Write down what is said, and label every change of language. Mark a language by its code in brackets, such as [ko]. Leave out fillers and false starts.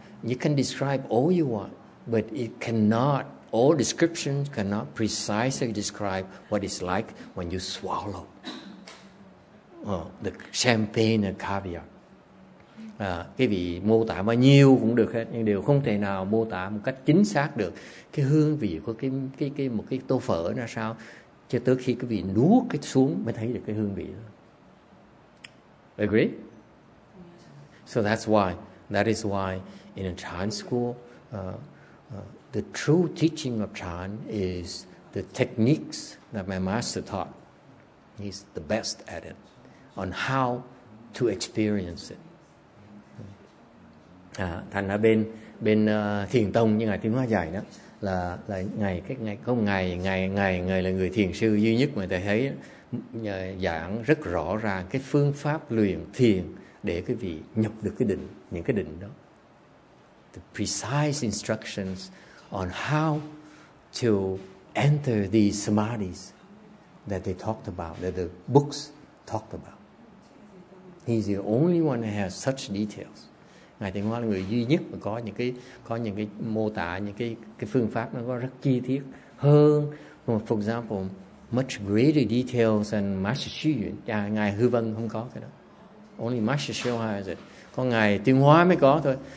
[en] You can describe all you want, but it cannot, all descriptions cannot precisely describe what it's like when you swallow the champagne and caviar. [vi] Cái vị mô tả bao nhiêu cũng được hết, nhưng đều không thể nào mô tả một cách chính xác được cái hương vị của cái một cái tô phở ra sao, cho tới khi cái vị nuốt cái xuống mới thấy được cái hương vị đó. [en] Agree? So that is why in a Chan school, the true teaching of Chan is the techniques that my master taught. He's the best at it, on how to experience it. [vi] Thành ra bên thiền tông như ngài Tiếng Hoa dạy đó là ngài cái ngài có ngài là người thiền sư duy nhất mà ta thấy giảng rất rõ ràng cái phương pháp luyện thiền để quý vị nhập được cái định, những cái định đó. [en] The precise instructions on how to enter these samadhis that they talked about, that the books talked about. He's the only one that has such details. [vi] Ngài Tiếng Hoa là người duy nhất mà có những cái mô tả, những cái phương pháp nó có rất chi tiết hơn. [en] For example, much greater details than Master Xu Yun. [vi] Ngài Hư Vân không có cái đó. [en] Only Master Xu has it. [vi] Có Ngài Tiếng Hoa mới có thôi.